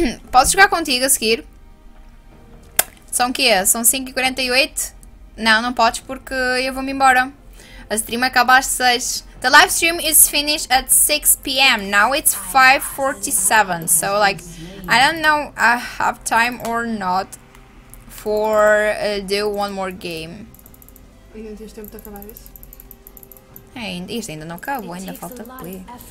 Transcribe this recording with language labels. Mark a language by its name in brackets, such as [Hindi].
[Portuguese] Posso jogar contigo a seguir? São o quê? São 5h48? Não, não podes porque eu vou-me embora. A stream acaba às 6. [English] The live stream is finished at 6 p.m. Now it's 5:47. So like, I don't know I have time or not for do one more game. [Portuguese] Ainda tens tempo de acabar isso? Ainda, isto ainda não acabou, ainda falta play.